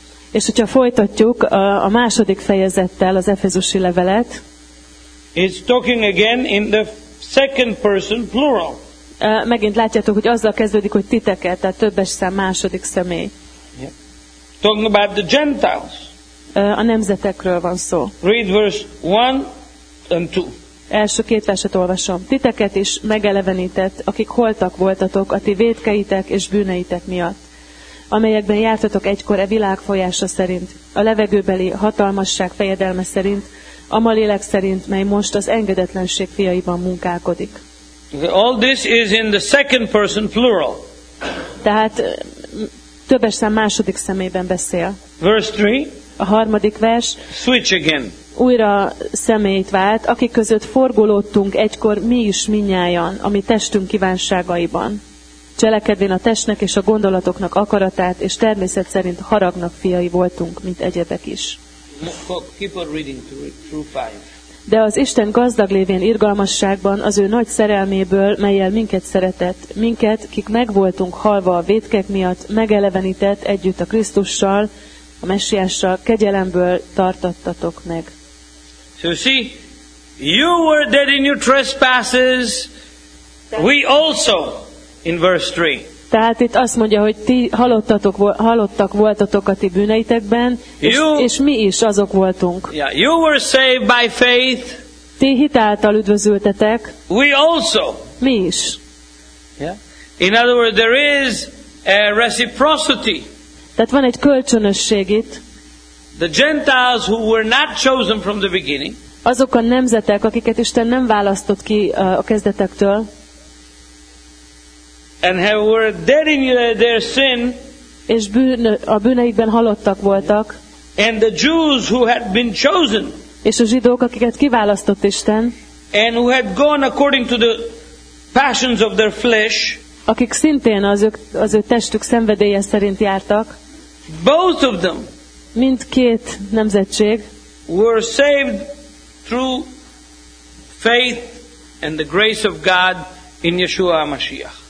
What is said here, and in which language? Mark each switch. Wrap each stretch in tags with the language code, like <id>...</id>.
<hu>És hogyha folytatjuk a második fejezettel az Efezusi levelet.</hu> <en>It's talking again in the second person plural.</en> <hu>Megint látjátok, hogy azzal kezdődik, hogy titeket, tehát többes szám, második személy.</hu> <en>Yeah. Talking about the Gentiles.</en> <hu>A nemzetekről van szó.</hu> <en>Read verse 1 and 2.</en> <hu>Első két verset olvasom. Titeket is megelevenített, akik holtak voltatok a ti vétkeitek és bűneitek miatt, amelyekben jártatok egykor e világ folyása szerint, a levegőbeli hatalmasság fejedelme szerint, ama lélek szerint, mely most az engedetlenség fiaiban munkálkodik.</hu> <en>All this is in the second person plural.</en> <hu>Tehát többes szám második személyben beszél.</hu> <en>Verse 3.</en> <hu>A harmadik vers.</hu> <en>Switch again.</en> <hu>Újra személyt vált, akik között forgolódtunk egykor mi is minnyájan, a mi testünk kívánságaiban, cselekedvén a testnek és a gondolatoknak akaratát, és természet szerint haragnak fiai voltunk, mint egyedek is.</hu> <en>Keep on reading through five.</en> <hu>De az Isten gazdag lévén irgalmasságban, az ő nagy szerelméből, mellyel minket szeretett, minket, kik megvoltunk halva a vétkek miatt, megelevenített együtt a Krisztussal, a Messiással, kegyelemből tartattatok meg.</hu> <en>So you see, you were dead in your trespasses, we also, in verse 3.</en> <hu>Tehát itt azt mondja, hogy ti halottak voltatok a ti bűneitekben, és mi is azok voltunk.</hu> <en>Yeah, you were saved by faith.</en> <hu>Ti hitáltal üdvözültetek.</hu> <en>We also.</en> <hu>Mi is. Yeah.</hu> <en>In other words, there is a reciprocity.</en> <hu>Tehát van egy kölcsönösség itt.</hu> <en>The Gentiles who were not chosen from the beginning.</en> <hu>Azok a nemzetek, akiket Isten nem választott ki a kezdetektől.</hu> <en>And have were dead in their sin.</en> <hu>És a bűneikben halottak voltak.</hu> <en>And the Jews who had been chosen.</en> <hu>És a zsidók, akiket kiválasztott Isten.</hu> <en>And who had gone according to the passions of their flesh.</en> <hu>Akik szintén az ő testük szenvedélye szerint jártak.</hu> <en>Both of them.</en> <hu>Mindkét nemzetség.</hu> <en>Were saved through faith and the grace of God in Yeshua HaMashiach.</en>